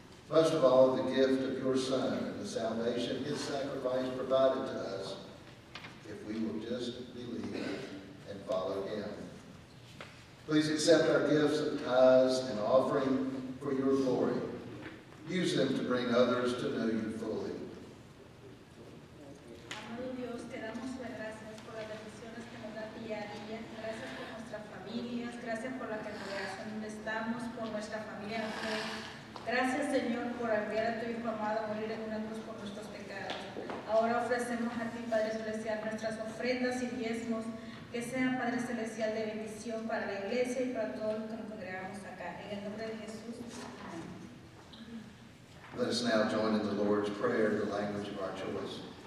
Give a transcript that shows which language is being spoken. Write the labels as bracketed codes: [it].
[en] Most of all, the gift of your Son and the salvation his sacrifice provided to us if we will just believe and follow him. Please accept our gifts of tithes and offering for your glory. Use them to bring others to know you fully. [es] Amado Dios, te damos las gracias por las bendiciones que nos da día a día. Gracias por nuestras familias. Gracias por la congregación donde estamos, por nuestra familia. Gracias, Señor, por enviar a tu Hijo amado a morir en una cruz por nuestros pecados. Ahora ofrecemos a ti, Padre Celestial, nuestras ofrendas y diezmos. Que sea, Padre Celestial, de bendición para la iglesia y para todos los que nos congregamos acá. En el nombre de Jesús. [en] Let us now join in the Lord's Prayer, the language of our choice.